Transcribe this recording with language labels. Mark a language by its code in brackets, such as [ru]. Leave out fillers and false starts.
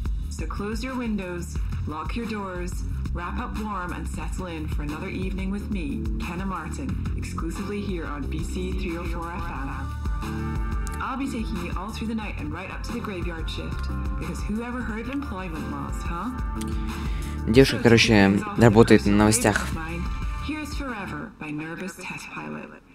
[en] So close your windows, lock your doors, wrap up warm and settle in for another evening with me, Kenna Martin, exclusively here on BC 304 FM. I'll be taking you all through the night and right up to the graveyard shift, because who ever heard of employment laws, huh? [ru] Девушка, короче, работает на новостях. [en] Here's Forever by Nervous Test Pilot.